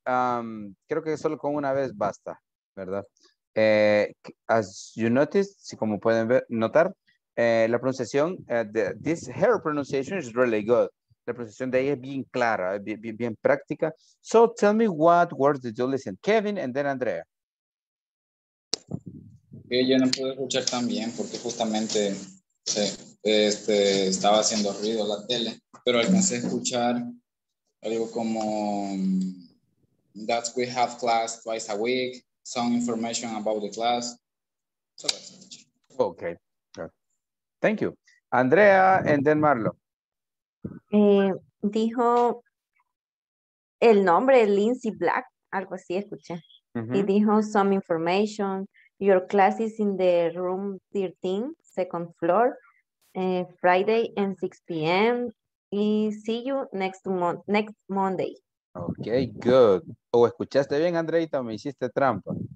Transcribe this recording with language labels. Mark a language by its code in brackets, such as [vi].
[es] Creo que solo con una vez basta, ¿verdad? [en] As you noticed, [es] si como pueden ver, notar, la pronunciación, [en] this her pronunciation is really good. [es] La pronunciación de ella es bien clara, bien práctica. [en] So tell me what words did you listen, Kevin, and then Andrea. [es] Okay, yo no pude escuchar tan bien porque justamente estaba haciendo ruido la tele, pero alcancé a escuchar algo como [en] that we have class twice a week, some information about the class. So okay. Thank you. Andrea, and then Marlo. [es] Dijo el nombre Lindsay Black, algo así escuché. Mm-hmm. Y dijo [en] some information. Your class is in the room 13, second floor, Friday and 6 p.m. Y see you next Monday. Okay, good. [es] Oh, ¿escuchaste bien, Andreita, o me hiciste trampa?